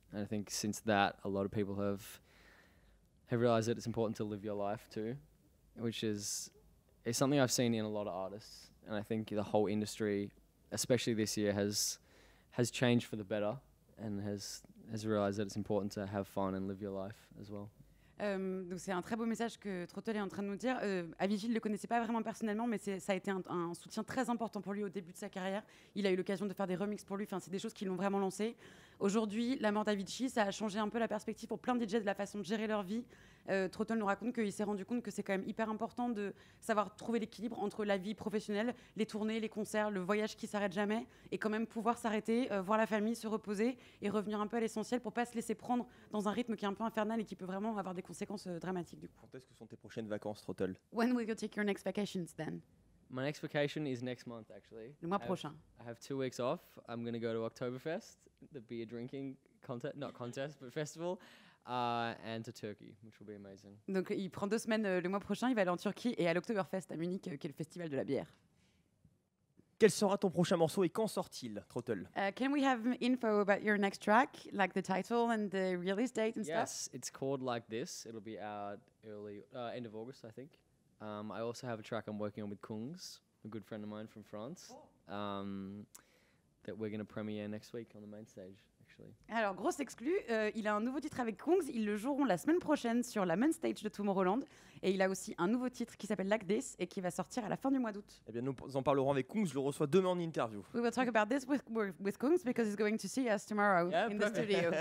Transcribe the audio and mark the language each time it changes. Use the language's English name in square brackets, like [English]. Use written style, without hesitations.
[English] And I think since that, a lot of people have realized that it's important to live your life too, which is something I've seen in a lot of artists. And I think the whole industry, especially this year, has changed for the better and has realized that it's important to have fun and live your life as well. [French] Donc c'est un très beau message que Trottel est en train de nous dire. Avicii, il ne le connaissait pas vraiment personnellement, mais ça a été un soutien très important pour lui au début de sa carrière. Il a eu l'occasion de faire des remixes pour lui. Enfin, c'est des choses qui l'ont vraiment lancé. Aujourd'hui, la mort d'Avicii, ça a changé un peu la perspective pour plein de DJs de la façon de gérer leur vie. Trottel nous raconte qu'il s'est rendu compte que c'est quand même hyper important de savoir trouver l'équilibre entre la vie professionnelle, les tournées, les concerts, le voyage qui ne s'arrête jamais, et quand même pouvoir s'arrêter, voir la famille, se reposer et revenir un peu à l'essentiel pour ne pas se laisser prendre dans un rythme qui est un peu infernal et qui peut vraiment avoir des conséquences dramatiques. Du coup. Quand est-ce que sont tes prochaines vacances, Trottel? [English] When will you take your next vacations then? My next vacation is next month, actually. [French] Le mois prochain. [English] I have 2 weeks off. I'm going to go to Oktoberfest, the beer drinking contest, not contest, but festival, and to Turkey, which will be amazing. [French] Donc, il prend 2 semaines le mois prochain, il va aller en Turquie et à l'Oktoberfest à Munich, qui est le festival de la bière. Quel sera ton prochain morceau et quand sort-il, Trottel? [English] Can we have info about your next track, like the title and the release date and yes, stuff? Yes, it's called Like This. It'll be out early, end of August, I think. I also have a track I'm working on with Kungs, a good friend of mine from France, that we're going to premiere next week on the main stage, actually. [French] Alors, grosse exclu, il a un nouveau titre avec Kungs, ils le joueront la semaine prochaine sur la main stage de Tomorrowland, et il a aussi un nouveau titre qui s'appelle Like This, et qui va sortir à la fin du mois d'août. Eh bien, nous en parlerons avec Kungs, je le reçois demain en interview. [English] We will talk about this with Kungs, because he's going to see us tomorrow in the studio.